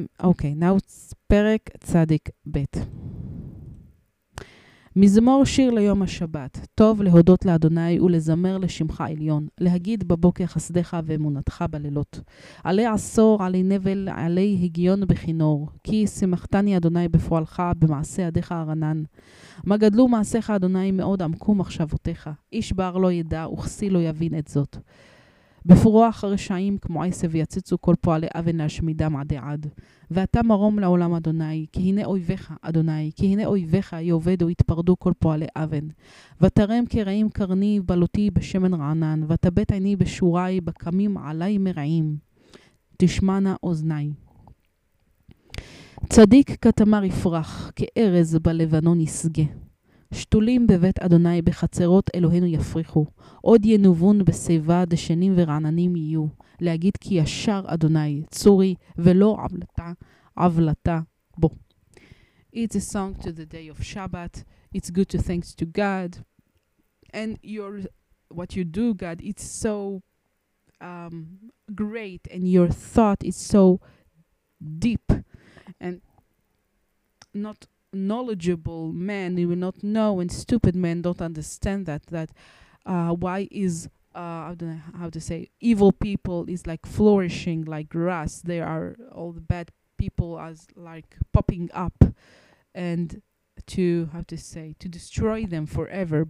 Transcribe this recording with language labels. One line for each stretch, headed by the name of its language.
English: Okay, now it's Perek Tzadik Bet.
Hebrew: מזמור שיר ליום השבת. טוב להודות לאדוני ולזמר לשמך עליון. להגיד בבוקר חסדך ואמונתך בלילות. עלי עשור, עלי נבל, עלי הגיון בחינור. כי שמחתני אדוני בפועלך במעשה ידיך הרנן. מה גדלו מעשיך אדוני מאוד עמקו מחשבותיך. איש בר לא ידע וכסי לא יבין את זאת. בפרוח רשעים כמו עשב יצצו כל פועלי אבן להשמידם עדי עד. ואתה מרום לעולם אדוני, כי הנה אויביך אדוני, כי הנה אויביך יובדו יתפרדו כל פועלי אבן. ותרם כרעים קרני בלותי בשמן רענן, ותבט עיני בשוריי בקמים עליי מרעים. תשמענה אוזני. צדיק כתמר יפרח, כארז בלבנון יסגה. שתולים בבית אדוני בחצרות אלוהינו יפריחו. עוד ינובון בסיבה דשנים ורעננים יהיו. להגיד כי ישר אדוני צורי ולא עבלתה, עבלתה בו.
English: It's a song to the day of Shabbat. It's good to thanks to God. And your, what you do, God, it's so great. And your thought is so deep. And not knowledgeable man, you will not know, and stupid men don't understand that why is I don't know how to say, evil people is like flourishing like grass, they are all the bad people as like popping up, and to have to say, to destroy them forever.